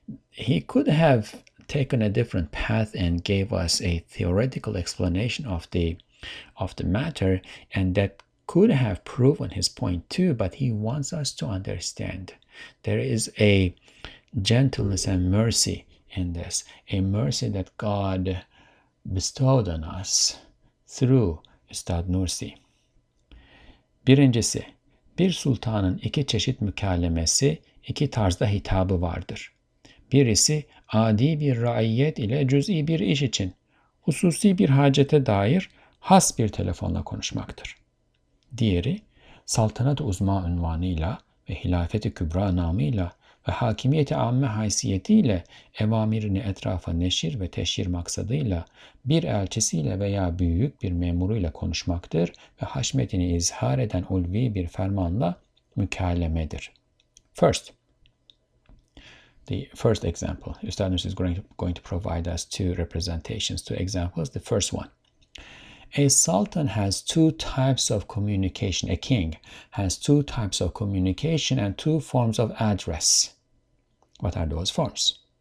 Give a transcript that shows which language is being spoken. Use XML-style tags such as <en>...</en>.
<en>He could have taken a different path and gave us a theoretical explanation of the matter, and that could have proven his point too, but he wants us to understand. There is a gentleness and mercy in this, a mercy that God bestowed on us through Üstad Nursi.</en> <tr>Birincisi, bir sultanın iki çeşit mükalemesi, iki tarzda hitabı vardır. Birisi, adi bir raiyet ile cüz'i bir iş için, hususi bir hacete dair has bir telefonla konuşmaktır. Diğeri, saltanat-ı uzma unvanıyla ve hilafet-i kübra namıyla ve hakimiyeti amme haysiyetiyle evamirini etrafa neşir ve teşhir maksadıyla bir elçisiyle veya büyük bir memuruyla konuşmaktır ve haşmetini izhar eden ulvi bir fermanla mükellemedir.</tr> <en>First, the first example. Üstad Nursi is going to provide us two representations, two examples. The first one. A sultan has two types of communication. A king has two types of communication and two forms of address. What are those forms?</en>